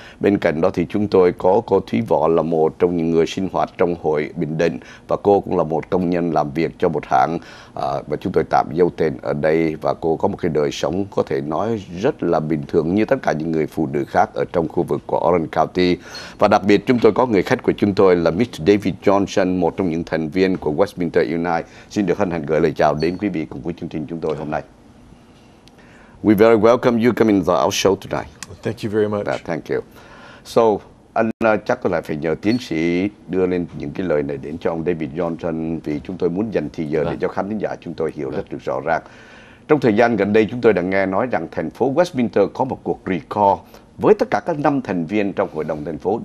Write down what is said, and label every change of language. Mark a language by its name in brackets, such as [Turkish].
[Vietnamese] Bên cạnh đó thì chúng tôi có cô Thúy Võ, là một trong những người sinh hoạt trong hội Bình Định, và cô cũng là một công nhân làm việc cho một hãng và chúng tôi tạm giấu tên ở đây, và cô có một cái đời sống có thể nói rất là bình thường như tất cả những người phụ nữ khác ở trong khu vực của Orange County. Và đặc biệt chúng tôi có người khách của chúng tôi là Mr. David Johnson, một trong những thành viên của Westminster Unite. Xin được hân hạnh gửi lời chào đến quý vị cùng với chương trình chúng tôi hôm nay. [English] We very welcome you coming to our show today. Thank you very much. Thank you. [Vietnamese] So, anh chắc có lại phải nhờ tiến sĩ đưa lên những cái lời này đến cho ông David Johnson, vì chúng tôi muốn dành thời giờ để cho khán giả chúng tôi hiểu rất được rõ ràng. Trong thời gian gần đây, chúng tôi đã nghe nói rằng thành phố Westminster có một cuộc recall với tất cả các 5 thành viên trong hội đồng thành phố.